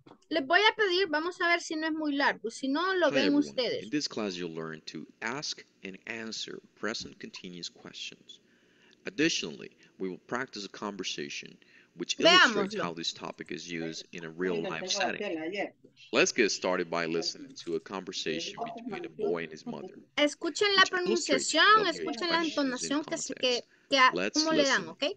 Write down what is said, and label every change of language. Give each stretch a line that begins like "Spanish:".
Spanish: Les voy a pedir, vamos a ver si no es muy largo, si no lo ven ustedes.
English: In this class you'll learn to ask and answer present continuous questions. Additionally, we will practice a conversation which illustrates how this topic is used in a real life setting. Let's get started by listening to a conversation between a boy and his mother.
Spanish: Escuchen la pronunciación, escuchen la entonación que cómo le dan, ¿okay?